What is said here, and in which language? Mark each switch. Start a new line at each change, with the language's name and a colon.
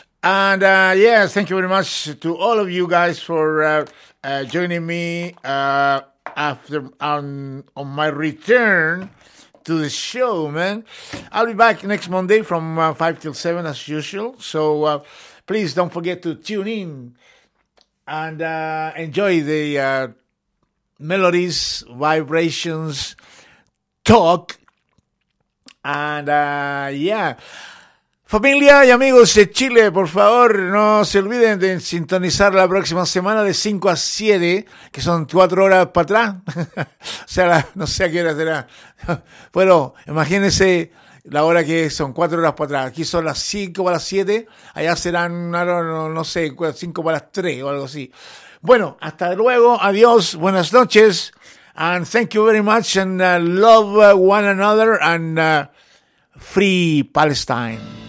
English: And yes, thank you very much to all of you guys for joining me on my return to the show, man. I'll be back next Monday from 5 till 7 as usual. So please don't forget to tune in and enjoy the melodies, vibrations, talk.
Spanish: And yeah, familia y amigos de Chile, por favor, no se olviden de sintonizar la próxima semana de 5 a 7, que son 4 horas para atrás, o sea, no sé a qué hora será, bueno, imagínense la hora que son 4 horas para atrás, aquí son las 5 para las 7, allá serán, no sé, 5 para las 3 o algo así. Bueno, hasta luego, adiós, buenas noches.
English: And thank you very much, and love one another, and free Palestine.